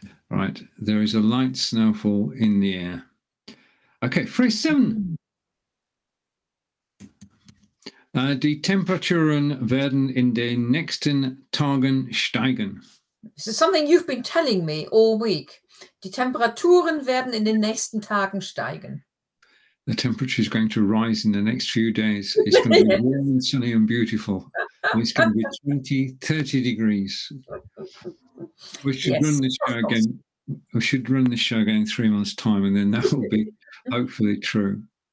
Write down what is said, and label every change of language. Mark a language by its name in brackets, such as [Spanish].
[English] Right, there is a light snowfall in the air. Okay, phrase seven. [German] Die Temperaturen werden in den nächsten Tagen steigen. [English] This is something you've been telling me all week. [German] Die Temperaturen werden in den nächsten Tagen steigen. [English] The temperature is going to rise in the next few days. It's going to be warm and sunny and beautiful. And it's going to be 20, 30 degrees. We should run this show again. We should run this show again 3 months' time, and then that will be hopefully true.